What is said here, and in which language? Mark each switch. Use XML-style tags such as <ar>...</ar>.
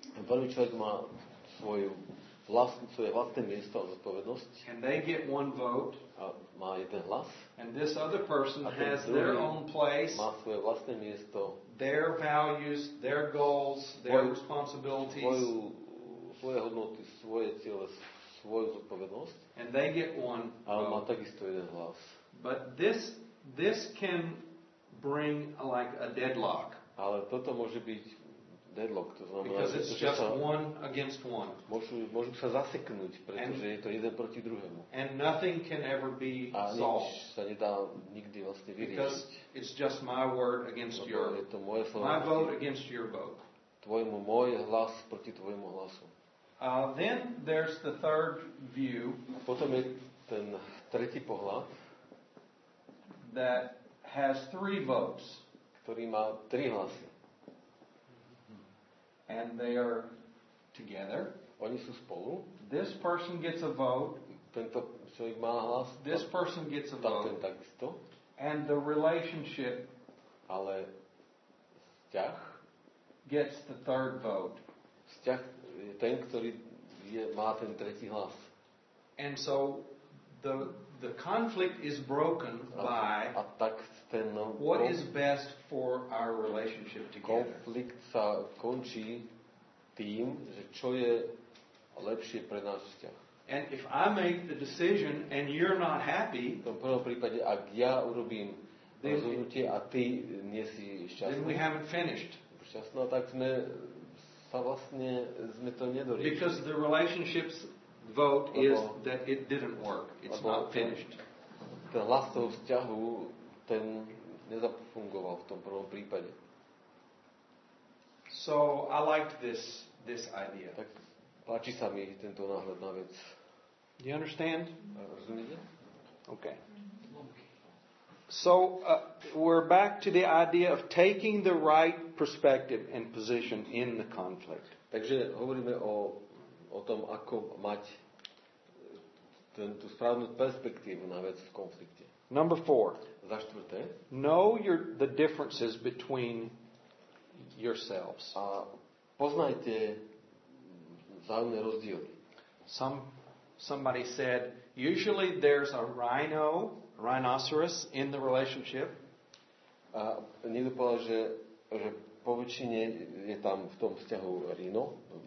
<sk>Prvý človek má svoje vlastné miesto a zodpovednosť.</sk> <en>And they get one vote.</en> <sk>A má jeden hlas.</sk> <en>And this other person has their own place.</en> <sk>Má svoje vlastné miesto.</sk> <en>Their values, their goals, their responsibilities.</en> <sk>Svoje hodnoty, svoje ciele, svoju zodpovednosť.</sk> <en>And they get one vote.</en> <sk>A má takisto jeden hlas.</sk> <en>But this can bring like a deadlock.</en> <sk>Ale toto môže byť deadlock, to znamená,</sk> <en>because it's just one against one.</en> <sk>Môžu sa zaseknúť, pretože je to jeden proti druhému.</sk> <en>And nothing can ever be solved.</en> <sk>A nič sa nedá nikdy vlastne vyriešiť.</sk> <en>Because it's just my word against your.</en> <sk>Je to moje slovo.</sk> <en>My vote against your vote.</en> <sk>Môj hlas proti tvojmu hlasu.</sk> <en>Then there's the third view.</en> <sk>A potom je ten tretí pohľad.</sk> <en>That has three votes.</en> <sk>Ktorý má tri hlasy.</sk> <en>And they are together.</en> <sk>Oni sú spolu.</sk> <en>This person gets a vote.</en> <sk>Tento človek má hlas.</sk> <en>This person gets a vote.</en> <sk>Ten takisto.</sk> <en>And the relationship,</en> <sk>ale vzťah,</sk> <en>gets the third vote.</en> <sk>Vzťah je ten, ktorý má ten tretí hlas.</sk> <en>And so the conflict is broken by what is best for our relationship together.</en> <sk>Konflikt sa končí tým, že čo je lepšie pre náš vzťah.</sk> <en>And if I make the decision and you're not happy,</en> <sk>v tom prvom prípade, ak ja urobím rozhodnutie a ty nie si šťastný.</sk> <en>Then we haven't finished.</en> <sk>Šťastný, tak sme sa vlastne sme to nedoriešili.</sk> <en>Because the relationships vote is that it didn't work. It's not finished.</en> <sk>Ten hlas toho vzťahu, ten nezafungoval v tom prvom prípade.</sk> <en>So I liked this idea.</en> <sk>Tak páči sa mi tento náhľad na vec.</sk> <en>Do you understand?</en> <sk>Rozumiete?</sk> <en>Okay. So we're back to the idea of taking the right perspective and position in the conflict.</en> <sk>Takže hovoríme o tom, ako mať tú správnu perspektívu na vec v konflikte.</sk> <en>Number four.</en> <sk>Za štvrté.</sk> <en>Know the differences between yourselves.</en> <sk>A poznajte vzájomné rozdiely.</sk> <en>Somebody said, usually there's a rhinoceros in the relationship.</en> <sk>A niekto povedal, že po väčšine je tam v tom vzťahu rino.</sk>